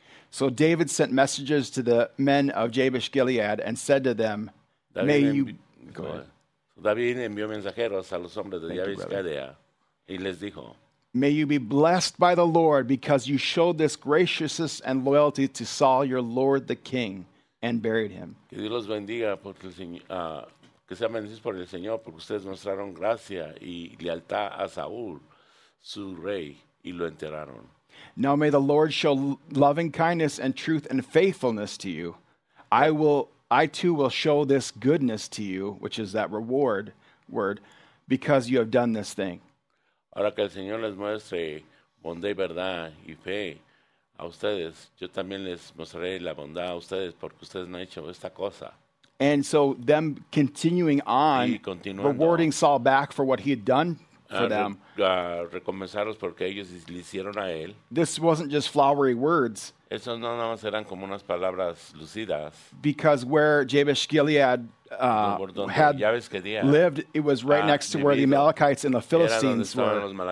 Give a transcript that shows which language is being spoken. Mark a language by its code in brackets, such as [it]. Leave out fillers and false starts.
[en] So David sent messengers to the men of Jabesh-Gilead and said to them, [es] David [en] may [es] envió, [en] you... Go ahead. [es] David envió mensajeros a los hombres de Jabesh-Gilead y les dijo, [en] may you be blessed by the Lord because you showed this graciousness and loyalty to Saul, your lord, the king, and buried him. [es] Que Dios los bendiga porque el Señor, que sean bendecidos por el Señor, porque ustedes mostraron gracia y lealtad a Saúl, su rey, y lo enterraron. [en] Now may the Lord show loving kindness and truth and faithfulness to you. I too will show this goodness to you, which is that reward word, because you have done this thing. [es] Ahora que el Señor les muestre bondad y verdad y fe a ustedes, yo también les mostraré la bondad a ustedes porque ustedes no han hecho esta cosa. [en] And so them continuing on, rewarding Saul back for what he had done for them. [es] Recompensarlos porque ellos le hicieron a él. [en] This wasn't just flowery words. [es] Esos no nada más eran como unas palabras lucidas. [en] Because where Jabesh-Gilead had lived, it was right next to where the Amalekites and the Philistines were.